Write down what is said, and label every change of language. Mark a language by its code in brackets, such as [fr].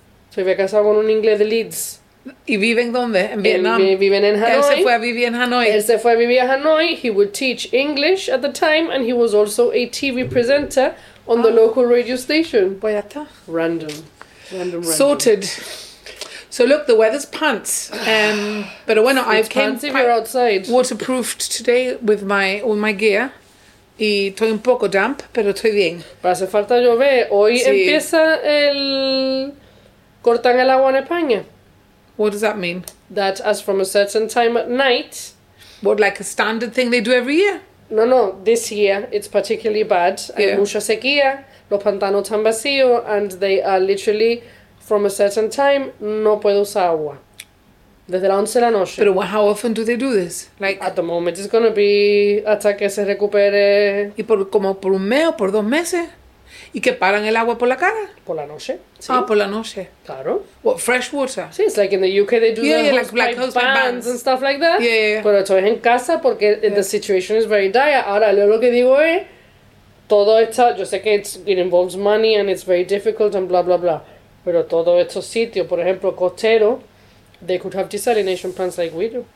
[es] Se había casado con un inglés de Leeds. ¿Y viven dónde? En Vietnam. Viven en Hanoi. Él se fue a vivir en Hanoi. Él se fue a vivir a Hanoi. [en] He would teach English at the time, and he was also a TV presenter on the local radio station. [es] Pues ya está. [en] Random. Sorted. So look, the weather's pants. But bueno, you're outside. Waterproofed today with my gear. [es] Y estoy un poco damp, pero estoy bien. Pero hace falta llover. Hoy empieza el... Cortan el agua en España. [en] What does that mean? That as from a certain time at night... What, like a standard thing they do every year? No. This year, it's particularly bad. Yeah. [es] Hay mucha sequía, los pantanos están vacíos, [en] and they are literally, from a certain time, [es] no puedo usar agua. Desde la 11 de la noche. [en] Pero how often do they do this? Like at the moment, it's gonna be [es] hasta que se recupere. Y por como por un mes o por dos meses. ¿Y que paran el agua por la cara? Por la noche. Sí. Ah, por la noche. Claro. [en] What, fresh water? Sí, it's like in the UK they do like hose pipe bands and stuff like that. Yeah, yeah. [es] Pero esto es en casa porque [en] the situation is very dire. [es] Ahora lo que digo es todo esto. Yo sé que [en] it involves money and it's very difficult and blah blah blah. [es] Pero todos estos sitios, por ejemplo, costero. [en] They could have desalination plants like we do.